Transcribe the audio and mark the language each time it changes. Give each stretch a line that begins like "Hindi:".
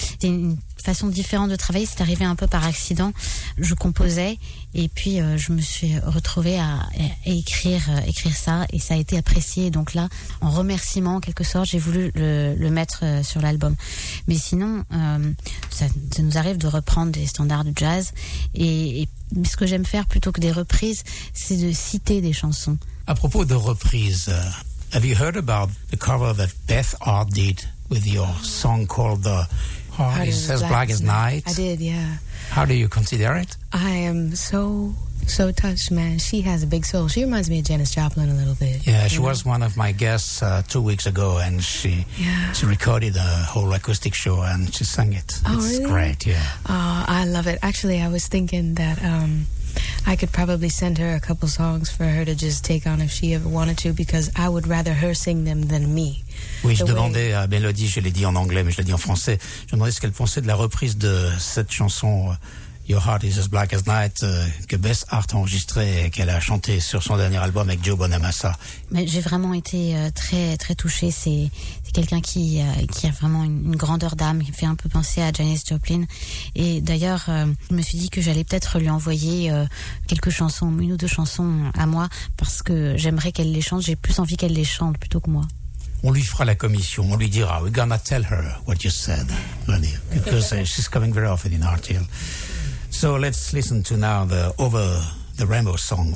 French: C'est une façon différente de travailler. C'est arrivé un peu par accident. Je composais et puis je me suis retrouvée à écrire ça et ça a été apprécié. Donc là, en remerciement en quelque sorte, j'ai voulu le mettre sur l'album. Mais sinon, ça nous arrive de reprendre des standards de jazz. Et ce que j'aime faire plutôt que des reprises, c'est de citer des chansons. À propos de reprises,
English: have you heard about the cover that Beth Orr did with your song called "The Heart Is as Black as Night"? I did, yeah. How do you consider it? I am so touched, man. She has a big soul. She reminds me of Janis Joplin a little bit. Yeah, she was one of my guests 2 weeks ago, and she recorded a whole acoustic show and she sang it. Oh, it's really great, yeah. Oh, I love it. Actually, I was thinking that I could probably send her a couple songs for her to just take on if she ever wanted to, because I would rather her sing them than me.
French: Oui, je demandais à Mélodie, je l'ai dit en anglais, mais je l'ai dit en français, je demandais ce qu'elle pensait de la reprise de cette chanson Your Heart Is As Black As Night, que Beth Hart a enregistrée et qu'elle a chantée sur son dernier album avec Joe Bonamassa. Mais j'ai vraiment été très, très touchée. C'est quelqu'un qui a vraiment une grandeur d'âme, qui fait un peu penser à Janis Joplin. Et d'ailleurs, je me suis dit que j'allais peut-être lui envoyer quelques chansons, une ou deux chansons à moi, parce que j'aimerais qu'elle les chante. J'ai plus envie qu'elle les chante plutôt que moi. On lui fera la commission, on lui dira,
English: we're gonna tell her what you said, Lani, because she's coming very often in Art Hill. So let's listen to now the Over the Rainbow song.